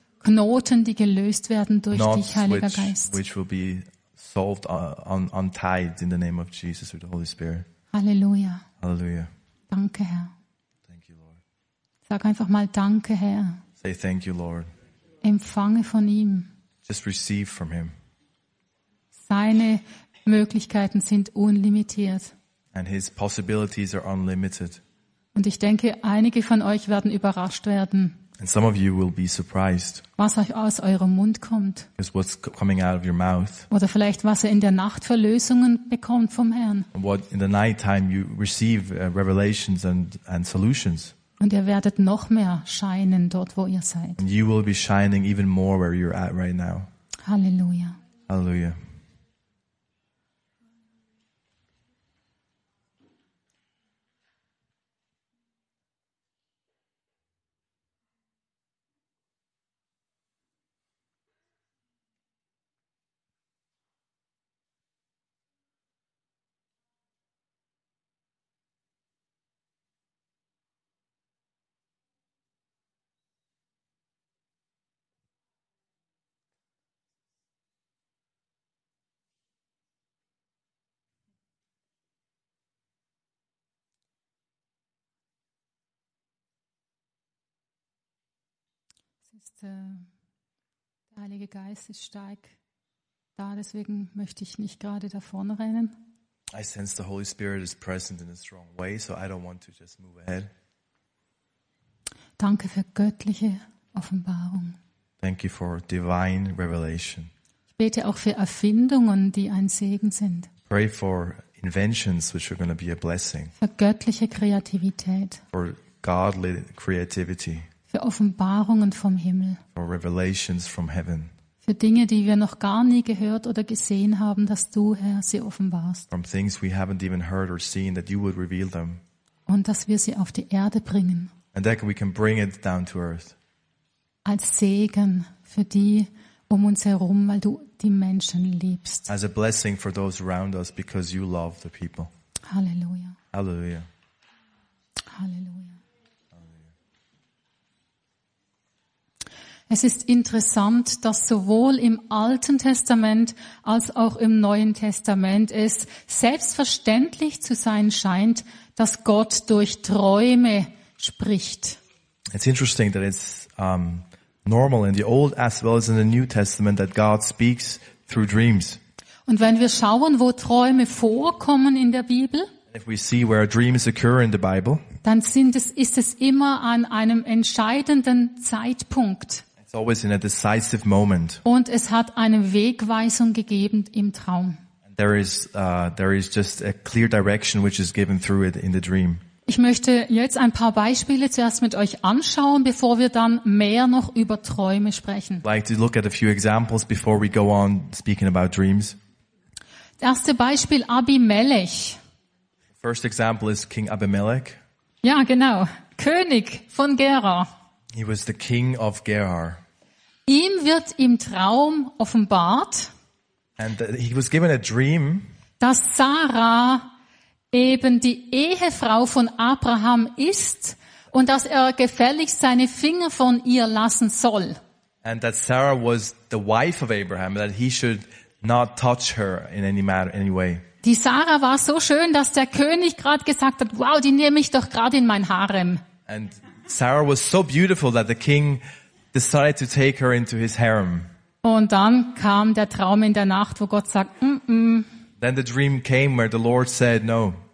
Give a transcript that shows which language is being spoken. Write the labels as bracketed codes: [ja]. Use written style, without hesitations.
[de] Knoten, die gelöst werden durch dich, Heiliger Geist. [en] Which will be solved, untied in the name of Jesus with the Holy Spirit. [de] Halleluja. [en] Halleluja. [de] Danke, Herr. [en] Thank you, Lord. [de] Sag einfach mal danke, Herr. [en] Say thank you, Lord. [de] Empfange von ihm. [en] Just receive from him. [de] Seine Möglichkeiten sind unlimitiert. [en] And his possibilities are unlimited. [de] Und ich denke, einige von euch werden überrascht werden. [en] And some of you will be surprised. [de] Was euch aus eurem Mund kommt. [en] Is what's coming out of your mouth. [de] Oder vielleicht was ihr in der Nacht für Lösungen bekommt vom Herrn. [en] And what in the night time you receive revelations and solutions. [de] Und ihr werdet noch mehr scheinen dort, wo ihr seid. [en] And you will be shining even more where you're at right now. [de] Halleluja. [en] Halleluja. [de] Der Heilige Geist ist stark da, deswegen möchte ich nicht gerade davon rennen. [en] I sense the Holy Spirit is present in a strong way, so I don't want to just move ahead. [de] Danke für göttliche Offenbarung. [en] Thank you for divine revelation. [de] Ich bete auch für Erfindungen, die ein Segen sind. [en] Pray for inventions which are going to be a blessing. [de] Für göttliche Kreativität. [en] For godly creativity. [de] Für Offenbarungen vom Himmel. [en] For revelations from heaven. [de] Für Dinge, die wir noch gar nie gehört oder gesehen haben, dass du, Herr, sie offenbarst. [en] From things we haven't even heard or seen, that you would reveal them. [de] Und dass wir sie auf die Erde bringen. [en] And that we can bring it down to earth. [de] Als Segen für die um uns herum, weil du die Menschen liebst. [en] As a blessing for those around us, because you love the people. [de] Halleluja. [en] Halleluja. [de] Halleluja. Es ist interessant, dass sowohl im Alten Testament als auch im Neuen Testament es selbstverständlich zu sein scheint, dass Gott durch Träume spricht. [en] It's interesting that it's normal in the Old as well as in the New Testament that God speaks through dreams. [de] Und wenn wir schauen, wo Träume vorkommen in der Bibel, [en] if we see where dreams occur in the Bible, [de] dann ist es immer an einem entscheidenden Zeitpunkt. [en] It's always in a decisive moment. [de] Und es hat eine Wegweisung gegeben im Traum. [en] There is just a clear direction which is given through it in the dream. [de] Ich möchte jetzt ein paar Beispiele zuerst mit euch anschauen, bevor wir dann mehr noch über Träume sprechen. [en] I'd like to look at a few examples before we go on speaking about dreams. [de] Das erste Beispiel Abimelech. [en] First example is King Abimelech. [de] Ja, genau. König von Gerar. [en] He was the king of Gerar. [de] Ihm wird im Traum offenbart, [en] and he was given a dream, [de] dass Sarah eben die Ehefrau von Abraham ist und dass er gefälligst seine Finger von ihr lassen soll. [en] And that Sarah was the wife of Abraham, that he should not touch her in any matter, any way. [de] Die Sarah war so schön, dass der König gerade gesagt hat, wow, die nehme ich doch gerade in mein Harem. [en] And Sarah was so beautiful that the king decided to take her into his harem. [de] Und dann kam der Traum in der Nacht, wo Gott sagt, mm-mm. [en] Then the dream came where the Lord said no.